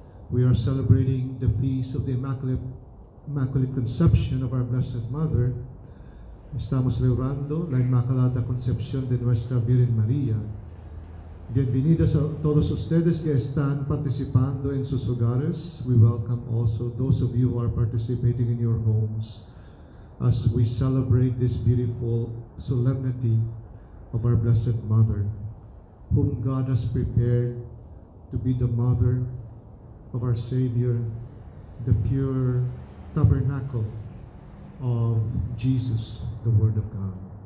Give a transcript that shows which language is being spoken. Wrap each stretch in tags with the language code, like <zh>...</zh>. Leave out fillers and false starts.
<en>We are celebrating the feast of the Immaculate Conception of our Blessed Mother.</en> <es>Estamos celebrando la Inmaculada Concepción de nuestra Virgen María. Bienvenidos a todos ustedes que están participando en sus hogares.</es> <en>We welcome also those of you who are participating in your homes as we celebrate this beautiful solemnity of our Blessed Mother, whom God has prepared to be the mother of our Savior, the pure tabernacle of Jesus, the Word of God.</en>